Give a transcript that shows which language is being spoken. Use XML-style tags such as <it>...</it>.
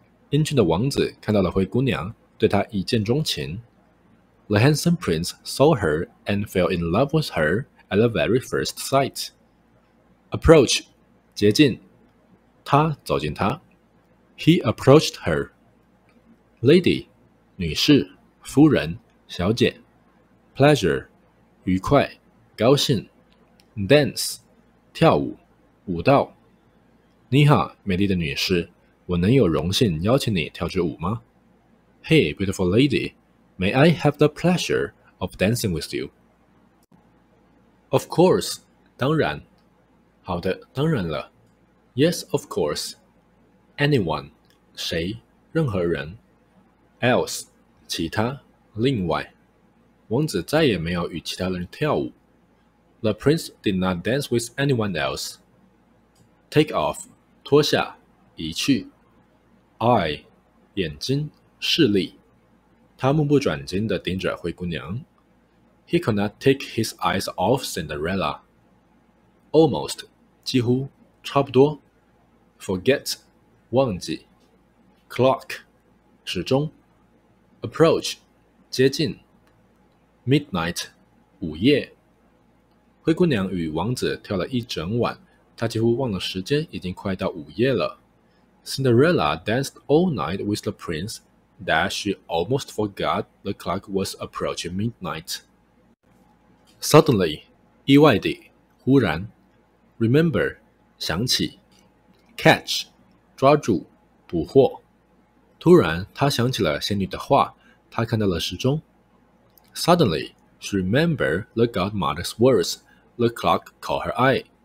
<zh>英俊的王子看到了灰姑娘，对她一见钟情。</zh> <en>The handsome prince saw her and fell in love with her at the very first sight.</en> <zh>Approach, 接近。他走近她。</zh> <en>He approached her. Lady,</en> <zh>女士，夫人，小姐。 Pleasure, 愉快，高兴。Dance, 跳舞，舞蹈。你好，美丽的女士，我能有荣幸邀请你跳支舞吗 ？</zh> <en>Hey, beautiful lady, may I have the pleasure of dancing with you? Of course,</en> <zh>当然。好的，当然了。</zh> <en>Yes, of course.</en> <zh>Anyone, 谁，任何人。Else, 其他，另外。王子再也没有与其他人跳舞。</zh> <en>The prince did not dance with anyone else.</en> <zh>Take off. 脱下，移去。Eye, 眼睛，视力。他目不转睛地盯着灰姑娘。</zh> <en>He could not take his eyes off Cinderella.</en> <zh>Almost, 几乎，差不多。Forget, 忘记。 Clock, 时钟。Approach, 接近。 Midnight, 午夜。灰姑娘与王子跳了一整晚。他几乎忘了时间已经快到午夜了。</zh> <en>Cinderella danced all night with the prince that she almost forgot the clock was approaching midnight.</en> <zh>Suddenly, 意外地，忽然。Remember, 想起。 Catch, 抓住，捕获。突然他想起了仙女的话，他看到了时钟。</zh> <en>Suddenly, she remembered the godmother's words, the clock caught her eye.</en>